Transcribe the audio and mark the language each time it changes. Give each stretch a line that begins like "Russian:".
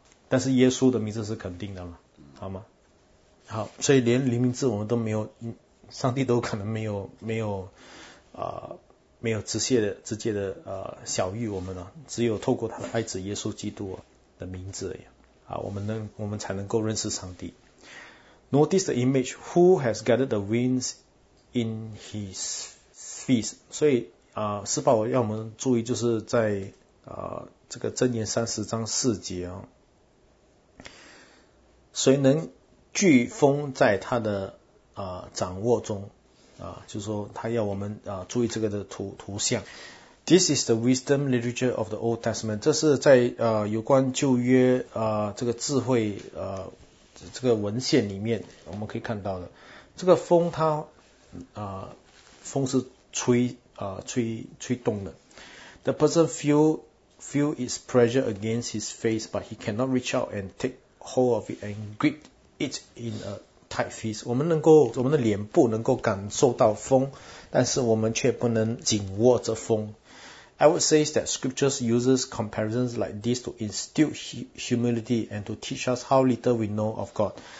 Chinese: 但是耶稣的名字是肯定的了，好吗？好，所以连灵名字我们都没有，上帝都可能没有直接的晓谕我们了，只有透过他的爱子耶稣基督。的名字而已，我们才能够认识上帝。
English: Notice the image, who has gathered the winds in his face?
Chinese: 所以司法我要我们注意，就是在这个箴言三十章四节啊，谁能聚风在他的掌握中啊？就是说他要我们注意这个的图像。
English: This is the wisdom literature of the Old Testament.
Chinese: 这是在有关旧约这个智慧这个文献里面我们可以看到的。这个风它风是吹动的。
English: The person feel its pressure against his face, but he cannot reach out and take hold of it and grip it in a tight fist.
Chinese: 我们的脸部能够感受到风，但是我们却不能紧握着风。
English: I would say that scriptures uses comparisons like this to instill humility and to teach us how little we know of God.